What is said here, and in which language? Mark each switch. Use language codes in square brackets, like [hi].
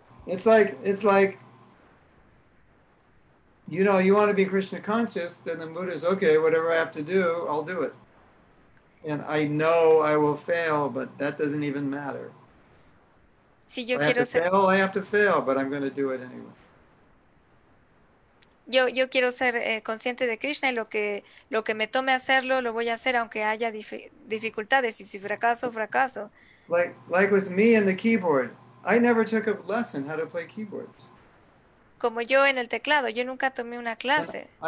[en] It's like, you know, you want to be Krishna conscious, then the Buddha is okay, whatever I have to do, I'll do it. And I know I will fail, but that doesn't even matter. [es] Si yo quiero ser, [en] I have to fail, but I'm going to do it anyway. [es] Yo quiero ser consciente de Krishna y lo que me tome hacerlo lo voy a hacer aunque haya dificultades y si fracaso. [en] Like with me and the keyboard, I never took a lesson how to play keyboards. [es] Como yo en el teclado, yo nunca tomé una clase.